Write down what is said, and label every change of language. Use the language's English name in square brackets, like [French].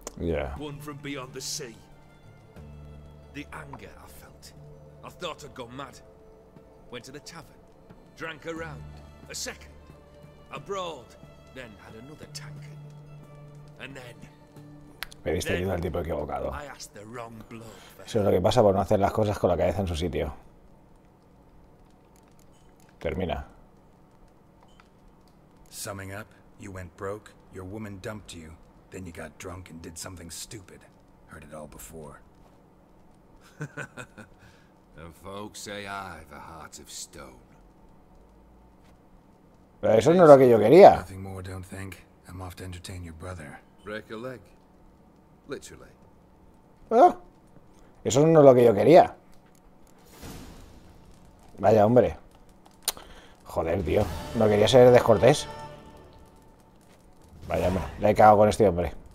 [English] Yeah. One from beyond the sea. The anger I felt. I thought I'd gone mad. Went to the tavern, drank a round, a second, abroad, then had another tankard. And then. [Spanish] Me diste ayuda al tipo equivocado. [English] I asked the wrong blood. [Spanish] Eso es lo que pasa por no hacer las cosas con la cabeza en su sitio. Termina. [English] Summing up, you went broke, your woman dumped you, then you got drunk and did something stupid. Heard it all before. And folks say I've a heart of stone. [Spanish] Pero eso no es lo que yo quería. [English] Nothing more, don't think. I'm off to entertain your brother. Break a leg. Literally. [Spanish] Oh, eso no es lo que yo quería. Vaya hombre. Joder, tío. No quería ser descortés. Vaya, hombre. Le he cagado con este hombre.